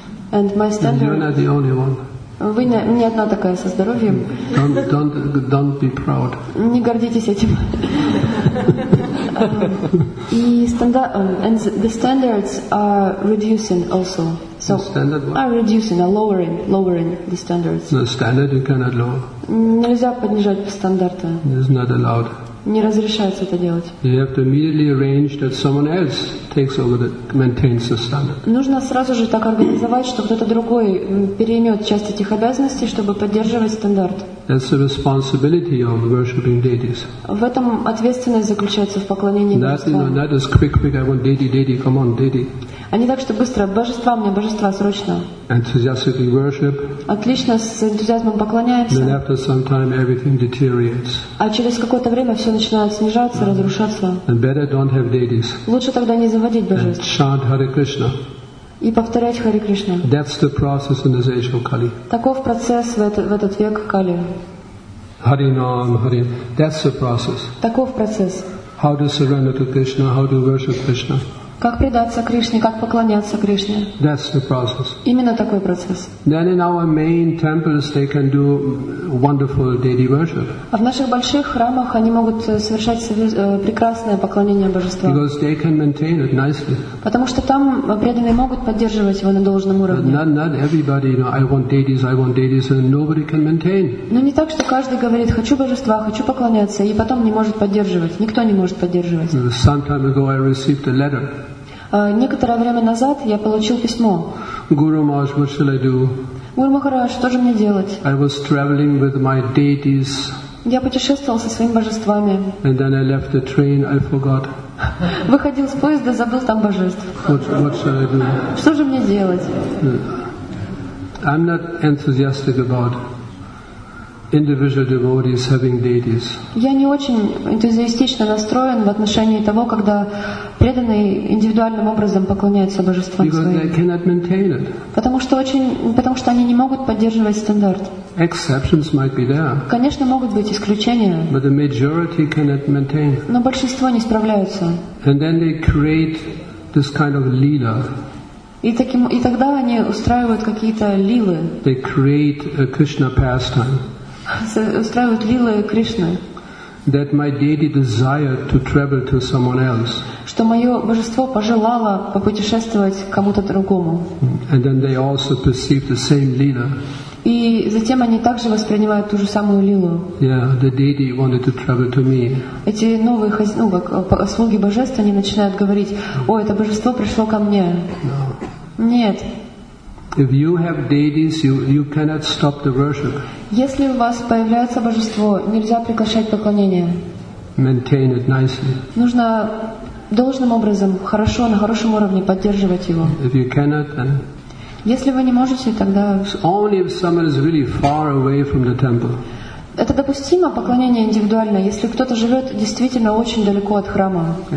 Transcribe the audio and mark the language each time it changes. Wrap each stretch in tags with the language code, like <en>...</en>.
<en>And my standard. You're not the only one.</en> <ru>Вы не одна такая со здоровьем.</ru> <en>Don't be proud.</en> <ru>Не гордитесь этим.</ru> <en>And the standards are reducing also. So the standard what? Are reducing, are lowering the standards. The standard you cannot lower.</en> <ru>Нельзя поднижать стандарты.</ru> <en>It's not allowed.</en> <ru>Не разрешается это делать.</ru> <en>You have to immediately arrange that someone else takes over that maintains the standard.</en> <ru>Нужно сразу же так организовать, что кто-то другой переймет часть этих обязанностей, чтобы поддерживать стандарт.</ru> <en>That's the responsibility of worshiping deities.</en> <ru>В этом ответственность заключается в поклонении божествам.</ru> <en>Not as quick, I want deity, come on, deity.</en> <ru>А не так, что быстро, божества мне, божества, срочно.</ru> <en>Enthusiastically worship.</en> <ru>Отлично, с энтузиазмом поклоняемся.</ru> <en>Then after some time everything deteriorates.</en> <ru>А через какое-то время все начинает снижаться, разрушаться.</ru> <en>And better don't have deities.</en> <ru>Лучше тогда не заводить божеств.</ru> <en>And chant Hare Krishna.</en> <ru>И повторять Хари Кришна.</ru> <en>That's the process in this age of Kali.</en> <ru>Таков процесс в этот век Кали.</ru> <en>Hari Nam, Hari. That's the process.</en> <ru>Таков процесс.</ru> <en>How to surrender to Krishna, how to worship Krishna.</en> <ru>Как предаться Кришне, как поклоняться Кришне.</ru> <en>That's the process.</en> <ru>Именно такой процесс.</ru> <en>Then in our main temples they can do wonderful deity worship.</en> <ru>А в наших больших храмах они могут совершать прекрасное поклонение божествам.</ru> <en>Because they can maintain it nicely.</en> <ru>Потому что там преданные могут поддерживать его на должном уровне.</ru> <en>Not everybody, you know, I want deities, and nobody can maintain.</en> <ru>Но не так, что каждый говорит, хочу божества, хочу поклоняться, и потом не может поддерживать. Никто не может поддерживать.</ru> <en>Some time ago I received a letter.</en> <ru>Некоторое время назад я получил письмо.</ru> <en>Guru Maharaj, what shall I do?</en> <ru>Guru Maharaj, что же мне делать?</ru> <en>I was traveling with my deities.</en> <ru>Я путешествовал со своими божествами.</ru> <en>And then I left the train, I forgot.</en> <ru>Выходил с поезда, забыл там божеств.</ru> <en>What shall I do?</en> <ru>Что же мне делать?</ru> <en>I'm not enthusiastic about individual devotees having deities.</en> <ru>Я не очень энтузиастично настроен в отношении того, когда преданные индивидуальным образом поклоняются божествам своим.</ru> <en>Because they cannot maintain it.</en> <ru>Потому что они не могут поддерживать стандарт.</ru> <en>Exceptions might be there.</en> <ru>Конечно, могут быть исключения.</ru> <en>But the majority cannot maintain.</en> <ru>Но большинство не справляются.</ru> <en>And then they create this kind of leela.</en> <ru>И тогда они устраивают какие-то лилы.</ru> <en>They create a Krishna pastime.</en> <ru>Устраивают лилы Кришны.</ru> <en>That my deity desired to travel to someone else.</en> <ru>Что мое божество пожелало попутешествовать кому-то другому.</ru> <en>And then they also perceive the same lila.</en> <ru>И затем они также воспринимают ту же самую лилу.</ru> <en>Yeah, the deity wanted to travel to me.</en> <ru>Эти новые слуги божества, они начинают говорить: «О, это божество пришло ко мне».</ru> <en>No.</en> <ru>Нет.</ru> <en>If you have deities, you cannot stop the worship.</en> <ru>Если у вас появляется божество, нельзя прекращать поклонение.</ru> <en>Maintain it nicely.</en> <ru>Нужно должным образом, хорошо, на хорошем уровне поддерживать его.</ru> <en>If you cannot, then.</en> <ru>Если вы не можете, тогда.</ru> <en>Only if someone is really far away from the temple.</en> <ru>Это допустимо поклонение индивидуальное, если кто-то живет действительно очень далеко от храма.</ru>